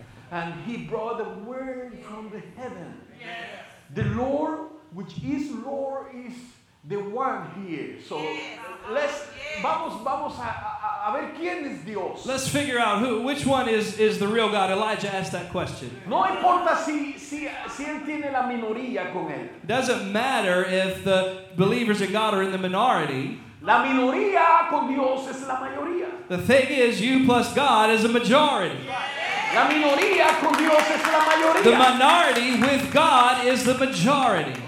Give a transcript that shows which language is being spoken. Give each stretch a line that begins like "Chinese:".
English: And he brought the word from the heaven. Yes. The Lord, which is Lord, is the one here. So let's
Spanish: vamos a ver quién es Dios.
English: Let's figure out which one is the real God. Elijah asked that question.
Spanish: No importa si él tiene la minoría con él.
English: Doesn't matter if the believers in God are in the minority.
Spanish: La minoría con Dios es la mayoría.
English: The thing is, you plus God is a majority.
Spanish: La minoría con Dios es la mayoría.
English: The minority with God is the majority.